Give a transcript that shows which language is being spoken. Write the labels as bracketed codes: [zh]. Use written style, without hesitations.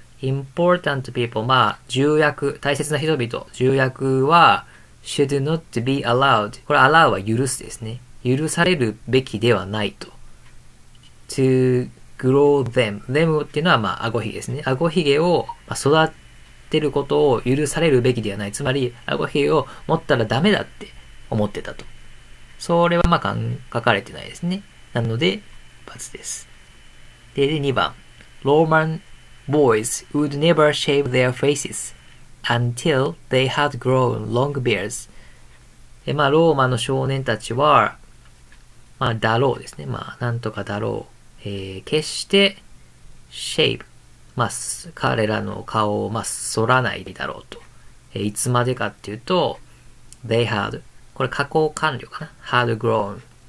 [en] important people [ja] まあ重役大切な人々重役は [en] should not be allowed [ja] これ allow は許すですね許されるべきではないと [en] to grow them. [ja] them っていうのは、まあ、あごひげですね。あごひげを、まあ、育てることを許されるべきではない。つまり、あごひげを持ったらダメだって思ってたと。それは、まあ、書かれてないですね。なので、×です。で、2番。 [en] Roman boys would never shave their faces until they had grown long beards. [ja] で、まあ、ローマの少年たちは、まあ、だろうですね。まあ、なんとかだろう。決して、shape。まあ、彼らの顔を、まあ、剃らないだろうと。いつまでかっていうと、 [en] they had。 [ja] これ、加工完了かな。 [en] had grown。